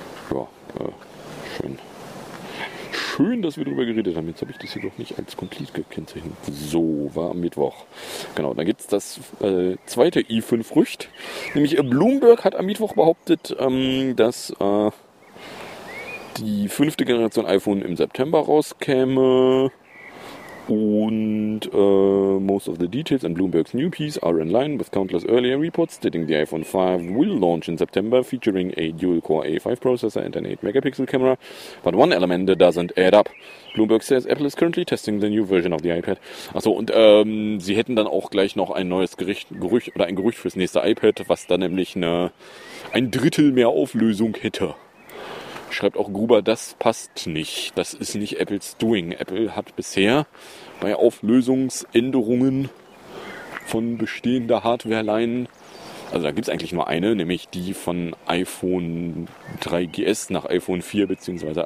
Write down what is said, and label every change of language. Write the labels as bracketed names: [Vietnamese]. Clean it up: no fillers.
[German] Ja, schön. Schön, dass wir darüber geredet haben. Jetzt habe ich das hier doch nicht als komplett gekennzeichnet. So, war am Mittwoch. Genau, dann gibt es das zweite i5-Frücht. Nämlich Bloomberg hat am Mittwoch behauptet, dass die fünfte Generation iPhone im September rauskäme. [English] Und most of the details in Bloomberg's new piece are in line with countless earlier reports stating the iPhone 5 will launch in September, featuring a dual-core A5 processor and an 8-megapixel camera. But one element doesn't add up. Bloomberg says Apple is currently testing the new version of the iPad. [German] Achso, und sie hätten dann auch gleich noch ein neues Gerücht fürs nächste iPad, was dann nämlich ein Drittel mehr Auflösung hätte. Schreibt auch Gruber, das passt nicht. Das ist nicht Apples Doing. Apple hat bisher bei Auflösungsänderungen von bestehender Hardware-Line, also da gibt es eigentlich nur eine, nämlich die von iPhone 3GS nach iPhone 4 bzw.